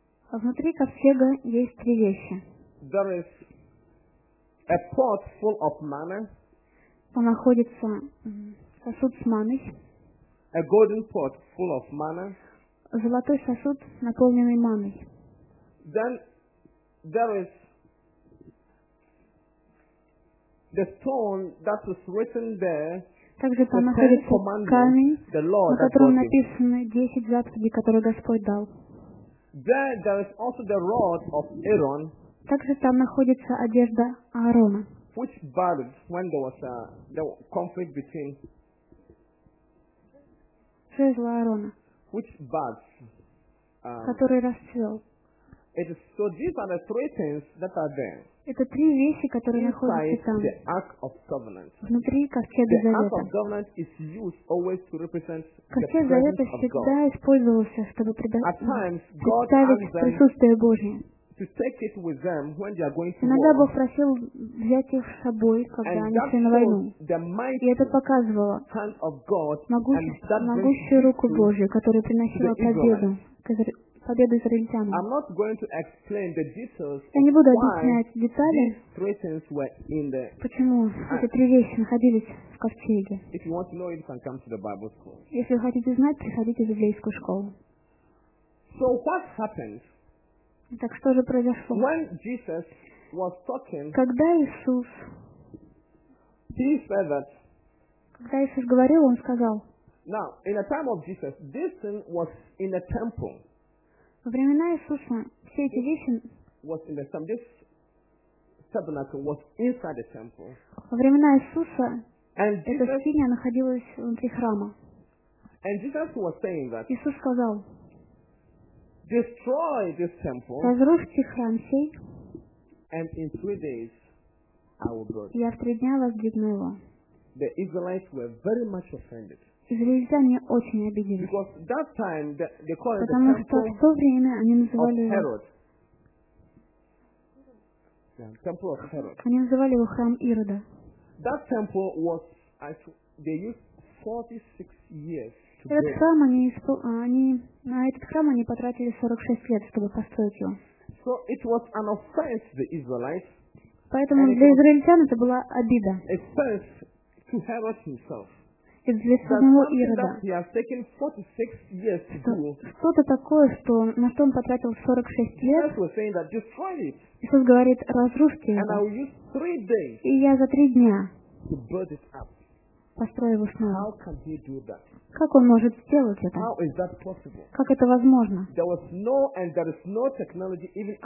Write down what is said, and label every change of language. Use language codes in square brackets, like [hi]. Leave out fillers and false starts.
[ru] А внутри ковчега есть три вещи. [en] There is a pot full of manna. [ru] Там находится сосуд с манной. [en] A golden pot full of manna. [ru] Золотой сосуд, наполненный манной. [en] Then there is the stone that was written there. [ru] Также там находится камень, на котором написаны 10 заповедей, которые Господь дал. [en] There is also the rod of Aaron. [ru] Также там находится одежда Аарона. [en] Which burned when there was a conflict between. [ru] Жезла Аарона. [en] Which burned. [ru] Который расцвел. [en] It is, so these are the three things that are there. [ru] Это три вещи, которые находятся там. Внутри ковчега Завета. Ковчег Завета всегда использовался, чтобы представить присутствие Божие. Иногда Бог просил взять их с собой, когда они шли на войну. И это показывало могущую руку Божию, которая приносила победу. [en] I'm not going to explain the details. [ru] Я не буду объяснять детали. [en] Three things were in the. [ru] Почему эти три вещи находились в ковчеге? [en] If you want to know, you can come to the Bible school. [ru] Если вы хотите знать, приходите в библейскую школу. [en] So what happened? [ru] Так что же произошло? [en] When Jesus was talking. [ru] Когда Иисус. [en] He said that. [ru] Когда Иисус говорил, он сказал. [en] Now, in the time of Jesus, this thing was in the temple. [ru] Во времена Иисуса все эти вещи [en] was in the temple. This tabernacle was inside the temple. [ru] Во времена Иисуса эта скиния находилась внутри храма. [en] And Jesus was saying that. [ru] Иисус сказал: [en] Destroy this temple. [ru] Разрушьте храм сей. [en] And in 3 days I will build. [ru] Я в 3 дня воздвигну его. [en] The Israelites were very much offended. [ru] Израильтяне очень обиделись. [en] Because that time they called the temple. [ru] Потому что в то время они называли [en] Herod. Yeah, temple of Herod. [ru] Они называли его храм Ирода. [en] That temple was they used 46 years. [ru] Этот храм они потратили 46 лет, чтобы построить его. [en] So it was an offense to the Israelites. [ru] Поэтому для израильтян это была обида. [en] Offense to Herod himself. [ru] И для самого Ирода. [en] He has taken 46 years to do. [ru] Что-то такое, что на что он потратил 46 лет. [en] Jesus was saying that destroy it. [ru] Иисус говорит: разрушьте его. [en] And I will use 3 days. [ru] И я за 3 дня. [en] To build it up. [ru] Построю его снова. [en] How can he do that? [ru] Как он может сделать это? [en] How is that possible? [ru] Как это возможно? [en] There was no, and there is no technology even up to